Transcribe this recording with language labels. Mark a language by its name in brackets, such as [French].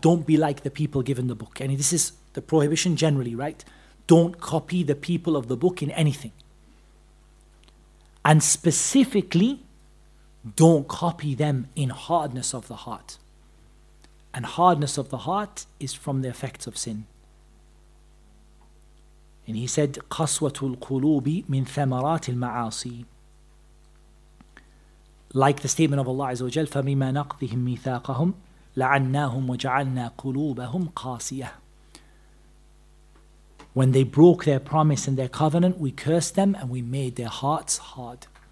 [English] Don't be like the people given the book. And this is the prohibition generally, right? Don't copy the people of the book in anything. And specifically, don't copy them in hardness of the heart. And hardness of the heart is from the effects of sin. And he said, [Arabic] قَصْوَةُ الْقُلُوبِ مِنْ ثَمَرَاتِ الْمَعَاصِي. [English] Like the statement of Allah Azza wa Jal, [Arabic] فَمِمَا نَقْضِهِمْ مِيثَاقَهُمْ لَعَنَّاهُمْ وَجَعَلْنَا قُلُوبَهُمْ قَاسِيَةً. [English] When they broke their promise and their covenant, we cursed them and we made their hearts hard.